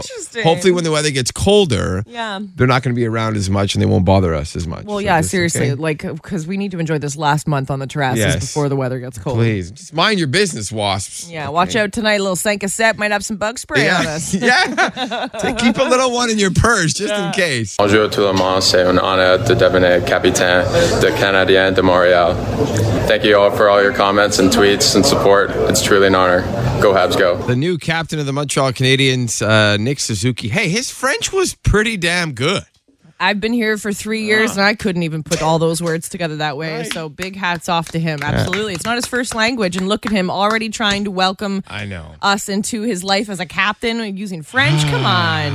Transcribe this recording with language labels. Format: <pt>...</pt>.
<en>So hopefully when the weather gets colder, they're not going to be around as much and they won't bother us as much. Well, so yeah, seriously, like, because we need to enjoy this last month on the terraces before the weather gets cold. Please, just mind your business, wasps. Yeah, watch out tonight. A little Sankasep might have some bug spray on us. Yeah. Keep a little one in your purse just in case.</en> <fr>Bonjour tout le monde. C'est un honneur de devenir capitaine de Canadien de Montréal.</fr> <en>Thank you all for all your comments and tweets and support. It's truly an honor. Go Habs, go. The new captain of the Montreal Canadiens, Nick Suzuki. Hey, his French was pretty damn good. I've been here for 3 years, and I couldn't even put all those words together that way. Right. So big hats off to him. Absolutely. Yeah. It's not his first language. And look at him already trying to welcome us into his life as a captain using French. Come on.</en>